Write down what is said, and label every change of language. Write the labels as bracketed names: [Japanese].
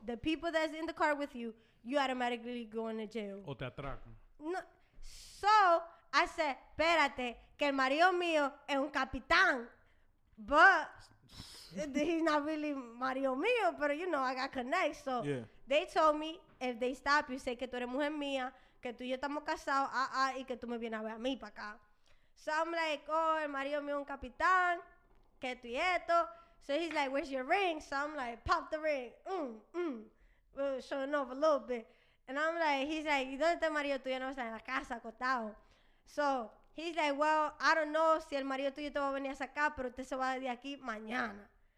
[English] The people that's in the car with you, you automatically going to jail. [Spanish] O te atracan. No. So I said, espérate, que el marido mío es un capitán. [English] But he's not really Mario mío, but you know, I got connects. So yeah. They [Spanish] told me if they stop you, say que tú eres mujer mía, que tú y yo estamos casados, y que tú me vienes a ver a mí para acá. So I'm like, oh, el Mario mío es un capitán, que tú y esto. [English] So he's like, where's your ring? So I'm like, pop the ring. Well, showing off a little bit. [Spanish] And I'm like, he's like, ¿y dónde está el Mario tuyo? No, está en la casa, acostado. So he's like, well, I don't know si el marido tuyo te va a venir a sacar, pero usted se va de aquí mañana.